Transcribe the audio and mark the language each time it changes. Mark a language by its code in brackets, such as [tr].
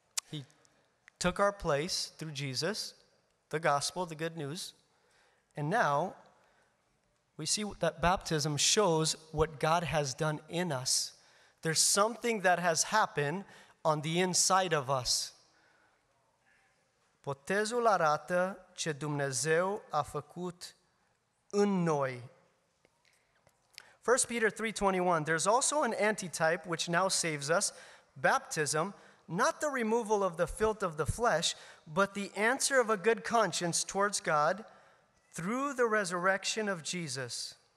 [en] He took our place through Jesus, the gospel, the good news. And now we see that baptism shows what God has done in us. There's something that has happened on the inside of us. [ro] Botezul arată ce Dumnezeu a făcut în noi. [en] 1 Peter 3:21, there's also an antitype which now saves us, baptism, not the removal of the filth of the flesh, but the answer of a good conscience towards God through the resurrection of Jesus.